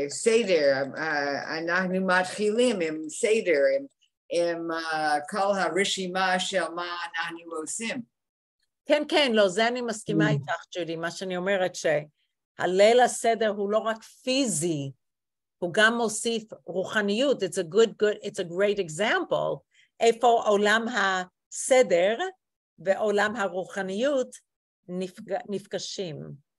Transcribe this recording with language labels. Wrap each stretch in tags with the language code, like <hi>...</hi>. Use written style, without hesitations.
<he>סדר, אנחנו מתחילים עם סדר, עם כל הרשימה של מה אנחנו עושים. כן, לא, זה אני מסכימה איתך, ג'ודי, מה שאני אומרת שהליל הסדר הוא לא רק פיזי, הוא גם מוסיף רוחניות.</he> <en>It's a good, it's a great example.</en> <he>איפה עולם הסדר, בעולם הרוחניות נפגשים.</he>